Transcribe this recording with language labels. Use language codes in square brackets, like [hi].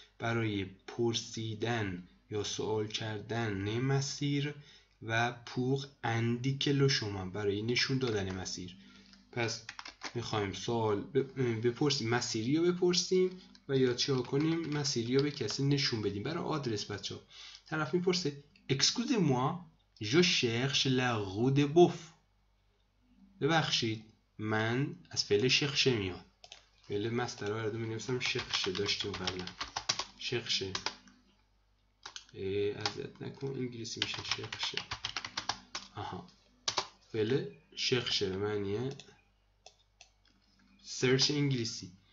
[fa] برای پرسیدن یا سوال کردن نه مسیر، و پور اندیکه لشوما برای نشون دادن مسیر. پس میخوایم سوال بپرسیم، مسیری رو بپرسیم و یا چی ها کنیم، مسیری رو به کسی نشون بدیم. برای آدرس بچه ها طرف میپرسه [fr] Excuse moi, je cherche la rue de Boeuf. [fa] ببخشید من از فعل شخشه میاد، فعل مستر رو بردو مینویسم شخشه، داشتیم قبلا شخشه، اذیت نکن انگلیسی میشه شخشه. آها فعل شخشه به معنیه سرچ انگلیسی.